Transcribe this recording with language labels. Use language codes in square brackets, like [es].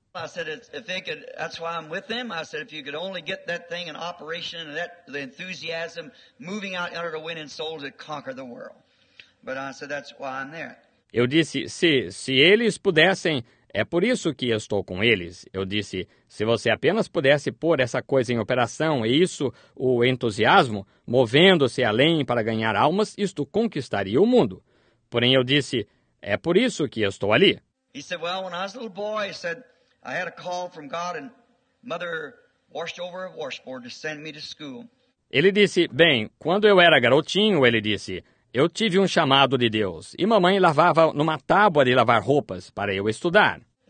[en] I said, if they could, that's why I'm with them. I said, if you could only get that thing in operation and that the enthusiasm moving out under the wind and souls to conquer the world. But I said, that's why I'm there. [pt] Eu disse, se eles pudessem. É por isso que estou com eles. Eu disse, se você apenas pudesse pôr essa coisa em operação, e isso, o entusiasmo, movendo-se além para ganhar almas, isto conquistaria o mundo. Porém, eu disse, é por isso que estou ali. [en] He said, well, when I was a little boy, he said, I had a call from God and mother washed over a washboard to send me to school. [pt] Ele disse, bem, quando eu era garotinho, ele disse, eu tive um chamado de Deus, e mamãe lavava numa tábua de lavar roupas para eu estudar.